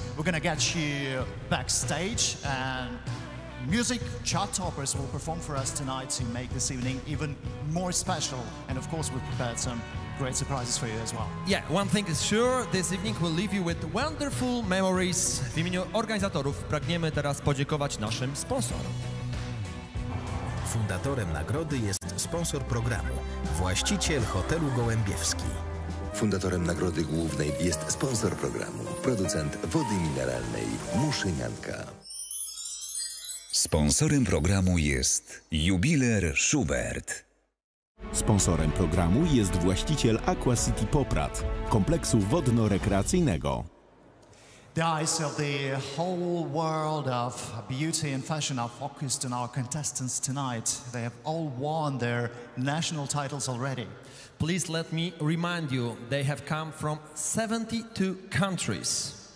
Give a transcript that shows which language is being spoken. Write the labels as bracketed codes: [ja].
[en] We're gonna get you backstage and music chart toppers will perform for us tonight to make this evening even more special. And of course, we've prepared some great surprises for you as well. Yeah, one thing is sure, this evening will leave you with wonderful memories. [pl] W imieniu organizatorów pragniemy teraz podziękować naszym sponsorom. Fundatorem nagrody jest sponsor programu, właściciel hotelu Gołębiewski. Fundatorem nagrody głównej jest sponsor programu, producent wody mineralnej Muszynianka. Sponsorem programu jest Jubiler Schubert. Sponsorem programu jest właściciel Aqua City Poprad, kompleksu wodno-rekreacyjnego. [en] The eyes of the whole world of beauty and fashion are focused on our contestants tonight. They have all won their national titles already. Please let me remind you, they have come from 72 countries.